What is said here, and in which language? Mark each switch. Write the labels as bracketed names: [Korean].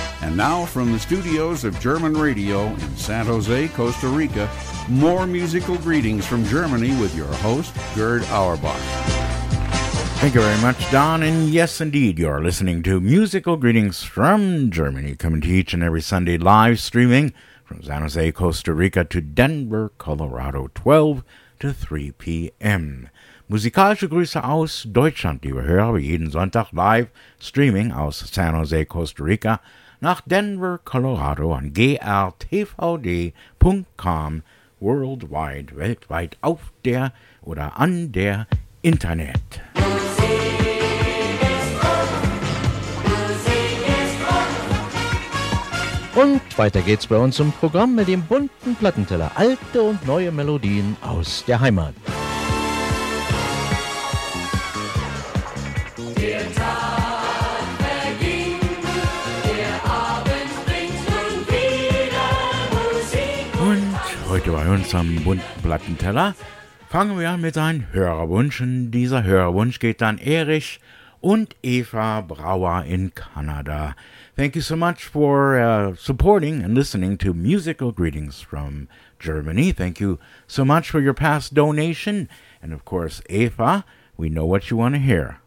[English] And now from the studios of German Radio in San Jose, Costa Rica, more musical greetings from Germany with your host, Gerd Auerbach. Thank you very much, Don. And yes, indeed, you are listening to Musical Greetings from Germany, coming to each and every Sunday live streaming from San Jose, Costa Rica to Denver, Colorado, 12 to 3 p.m. [German] Musikalische Grüße aus Deutschland, liebe Hörer, jeden Sonntag live streaming aus San Jose, Costa Rica nach Denver, Colorado [English] on grtvd.com worldwide, [German] weltweit, auf der oder an der Internet. Und weiter geht's bei uns im Programm mit dem bunten Plattenteller alte und neue Melodien aus der Heimat. Und heute bei uns am bunten Plattenteller fangen wir an mit einem Hörerwunsch. Und dieser Hörerwunsch geht an Erich und Eva Brauer in Kanada. [English] Thank you so much for supporting and listening to Musical Greetings from Germany. Thank you so much for your past donation. And of course, Eva, we know what you want to hear.